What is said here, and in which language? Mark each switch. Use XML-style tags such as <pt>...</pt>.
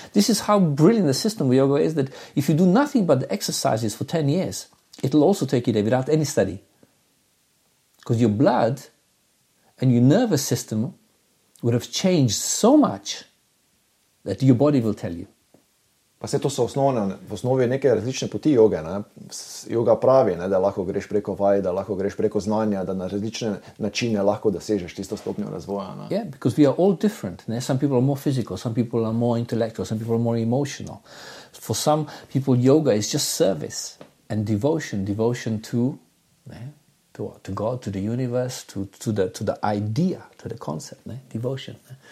<en>This is how brilliant the system of yoga is, that if you do nothing but the exercises for 10 years, it'll also take you there without any study. Because your blood and your nervous system would have changed so much that your body will tell you.</en> <sl>Pa se to so v osnovi neke različne poti joge. Ne? Joga pravi, ne, da lahko greš preko vaj, da lahko greš preko znanja, da na različne načine lahko dosežeš tisto stopnjo razvoja. Ne?</sl> <en>Yeah, because we are all different. Ne? Some people are more physical, some people are more intellectual, some people are more emotional. For some people, yoga is just service and devotion to, ne? To God, to the universe, to the idea, to the concept, ne? Devotion. Ne?</en>